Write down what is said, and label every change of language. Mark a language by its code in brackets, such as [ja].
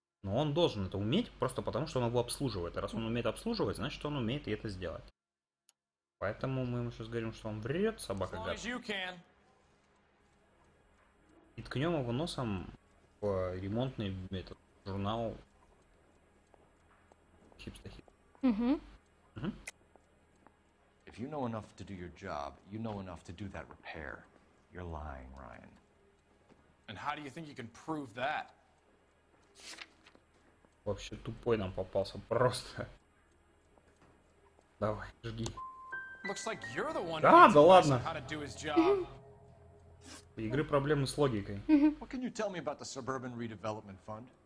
[ru] Но он должен это уметь, просто потому что он его обслуживает. А раз он умеет обслуживать, значит он умеет и это сделать. Поэтому мы ему сейчас говорим, что он врет, собака гад. И ткнем его носом в ремонтный этот, журнал Хипстахит. [en] If you know enough to do your job, you know enough to do that repair. You're lying, Ryan. And how do you think you can prove that? [ru] Вообще тупой нам попался просто. Давай, жги. [en] Looks like you're the one. [ru] Да, да ладно. [en] How to do his job. [ru] У игры проблемы с логикой. [en] What can you tell me about the Suburban Redevelopment Fund?